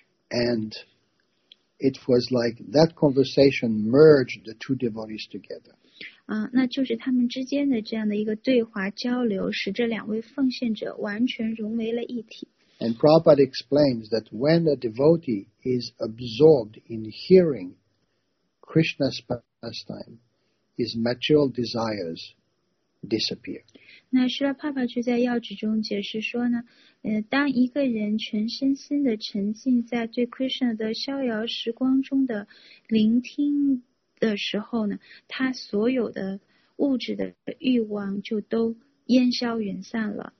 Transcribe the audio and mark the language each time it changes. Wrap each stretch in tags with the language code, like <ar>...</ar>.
<en>And it was like that conversation merged the two devotees together.</en> <zh>那就是他们之间的这样的一个对话交流，使这两位奉献者完全融为了一体。</zh> <en>And Prabhupada explains that when a devotee is absorbed in hearing Krishna's pastime, his material desires disappear.</en> <zh>那是了，爸爸就在要旨中解释说呢，当一个人全身心的沉浸在对 Krishna 的逍遥时光中的聆听的时候呢，他所有的物质的欲望就都烟消云散了。</zh>